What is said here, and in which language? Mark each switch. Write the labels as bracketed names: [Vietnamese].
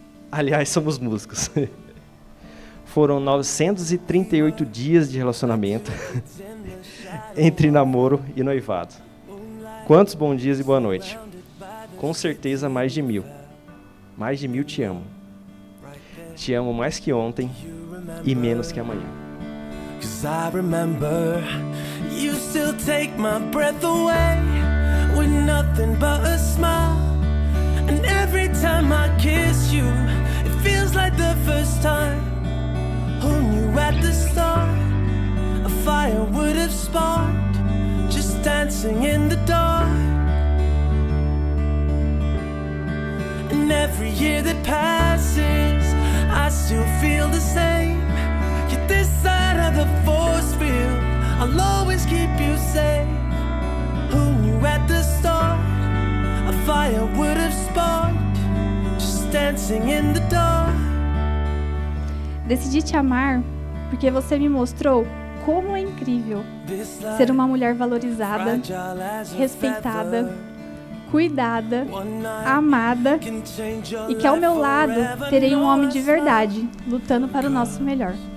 [Portuguese] Aliás, somos músicos. Foram 938 dias de relacionamento entre namoro e noivado. Quantos bons dias e boa noite. Com certeza mais de mil. Mais de mil te amo. Te amo mais que ontem e menos que amanhã. [English] Cause I remember you still take my breath away with nothing but a smile. And every time I kiss you, it feels like the first time. Who knew at the start a fire would have sparked just dancing in the dark. And every year that passes, I still feel the same. Yet this side of the force field, I'll always keep you safe. Who knew at the start a fire would have sparked just dancing in the dark. [Portuguese] Decidi te amar porque você me mostrou como é incrível ser uma mulher valorizada, respeitada, cuidada, amada, e que ao meu lado terei um homem de verdade lutando para o nosso melhor.